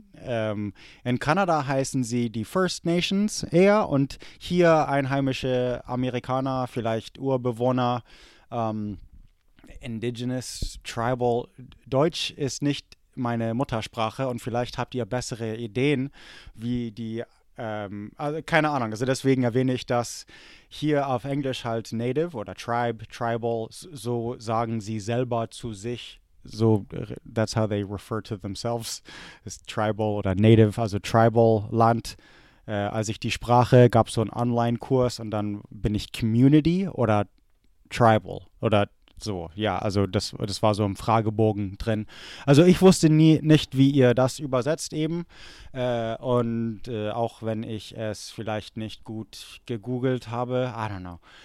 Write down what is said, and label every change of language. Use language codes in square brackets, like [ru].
[de] In Kanada heißen sie die First Nations eher und hier einheimische Amerikaner, vielleicht Urbewohner, Indigenous, Tribal. Deutsch ist nicht meine Muttersprache und vielleicht habt ihr bessere Ideen wie die, keine Ahnung, also deswegen erwähne ich das hier auf Englisch halt Native oder Tribe, Tribal, so sagen sie selber zu sich. [en] So, that's how they refer to themselves, [de] ist Tribal oder Native, also Tribal-Land. Als ich die Sprache, gab es so einen Online-Kurs und dann bin ich Community oder Tribal oder so. Ja, also das war so im Fragebogen drin. Also ich wusste nicht, wie ihr das übersetzt eben. Und auch wenn ich es vielleicht nicht gut gegoogelt habe, [en] I don't know.